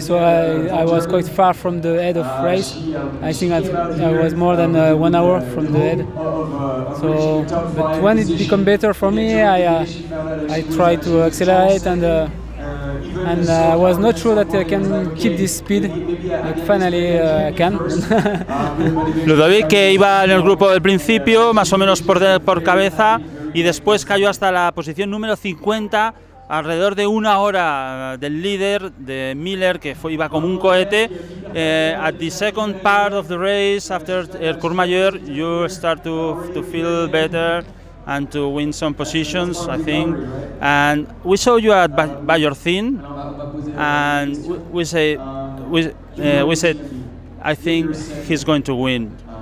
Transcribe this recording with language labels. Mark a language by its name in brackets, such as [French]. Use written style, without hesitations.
[English] So I was quite far from the head of race. I think I was more than 1 hour from the head. So, but when it become better for me, I try to accelerate and. I was not sure that I can keep this speed, but finally I can. [Spanish] Ludovic, que iba en el grupo del principio, más o menos por cabeza, y después cayó hasta la posición número 50, alrededor de una hora del líder, de Miller, que fue, iba como un cohete. [English] At the second part of the race, after el Courmayeur, you start to feel better and to win some positions, I think. And we saw you at by your thing, and we said, I think he's going to win.